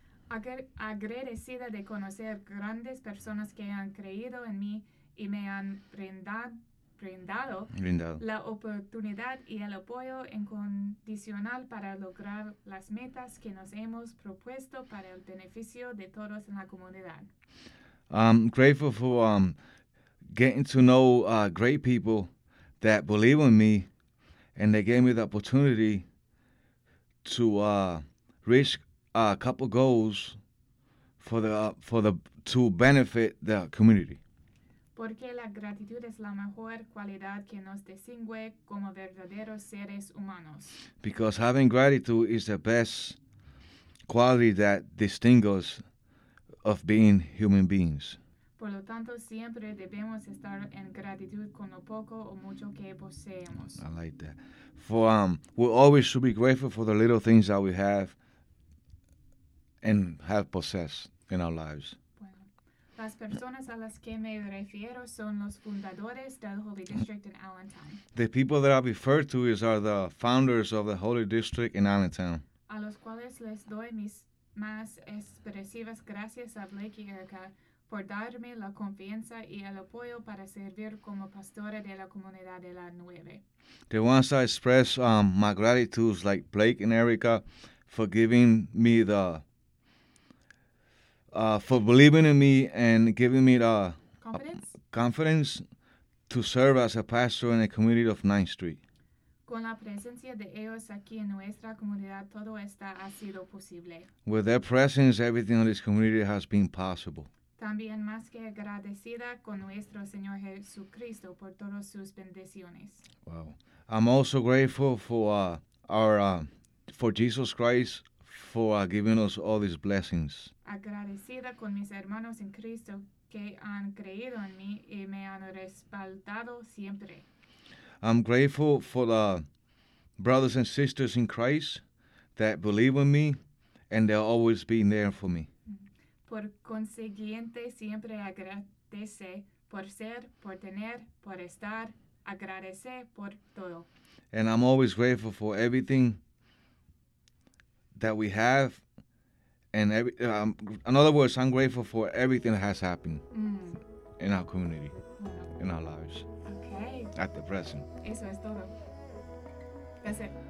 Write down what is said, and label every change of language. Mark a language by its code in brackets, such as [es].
[es] Agradecida de conocer grandes personas que han creído en mí y me han brindado la oportunidad y el apoyo incondicional para lograr las metas que nos hemos propuesto para el beneficio de todos en la comunidad. [en] I'm grateful for getting to know great people that believe in me, and they gave me the opportunity to reach a couple goals to benefit the community. [es] Porque la gratitud es la mejor cualidad que nos distingue como verdaderos seres humanos. [en] Because having gratitude is the best quality that distinguishes of being human beings. [es] Por lo tanto, siempre debemos estar en gratitud con lo poco o mucho que poseemos. [en] I like that. For we always should be grateful for the little things that we have and have possessed in our lives. [es] Las personas a las que me refiero son los fundadores del Holy District in Allentown. [en] The people that I refer to are the founders of the Holy District in Allentown. [es] A los cuales les doy mis más expresivas gracias a Blake y Erica por darme la confianza y el apoyo para servir como pastora de la comunidad de la Nueve. [en] The ones I express my gratitude, like Blake and Erica, for giving me the for believing in me and giving me the confidence to serve as a pastor in the community of 9th Street. [es] Con la presencia de ellos aquí en nuestra comunidad, todo esto ha sido posible. [en] With their presence, everything in this community has been possible. [es] También más que agradecida con nuestro Señor Jesucristo por todas sus bendiciones. [en] Wow. I'm also grateful for for Jesus Christ for giving us all these blessings. [es] Agradecida con mis hermanos en Cristo que han creído en mí y me han respaldado siempre. [en] I'm grateful for the brothers and sisters in Christ that believe in me, and they'll always be there for me. [es] Por consiguiente, siempre agradece por ser, por tener, por estar, agradece por todo. [en] And I'm always grateful for everything that we have. And in other words, I'm grateful for everything that has happened in our community, in our lives. Okay. At the present. [es] Eso es todo. [en] That's it.